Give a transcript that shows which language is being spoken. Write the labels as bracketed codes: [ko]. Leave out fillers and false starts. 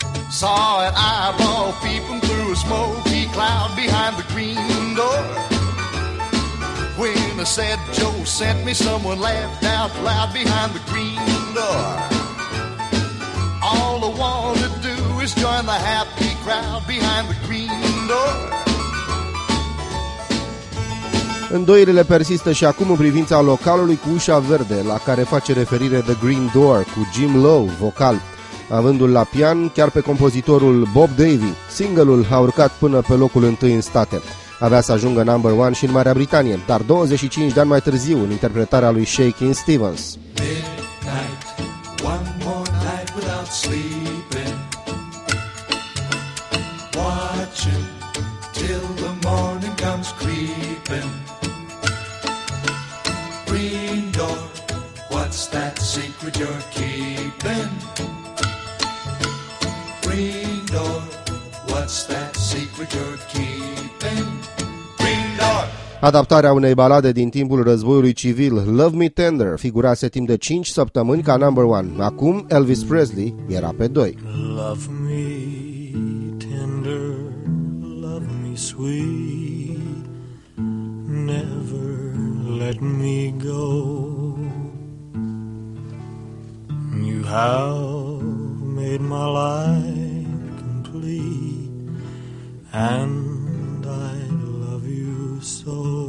[en] Saw an eyeball peeping through a smoky cloud behind the green door. When I said Joe sent me, someone laughed out loud behind the green door. All I want to do is join the happy crowd behind the green door. [ro] Îndoirile persistă și acum în privința localului cu ușa verde, la care face referire The Green Door, cu Jim Lowe, vocal, avându-l la pian chiar pe compozitorul Bob Davy. Single-ul a urcat până pe locul întâi în state. Avea să ajungă number one și în Marea Britanie, dar 25 de ani mai târziu, în interpretarea lui Shakin' Stevens. [en] Midnight, one more night without sleeping. Watching till the morning comes creeping. Green door, what's that secret you're keeping? Green door, what's that secret you're keeping? Green door! [ro] Adaptarea unei balade din timpul războiului civil, Love Me Tender, figurase timp de 5 săptămâni ca number one. Acum Elvis Presley era pe 2. [en] Love me tender, love me sweet, never let me go. You have made my life complete, and I love you so.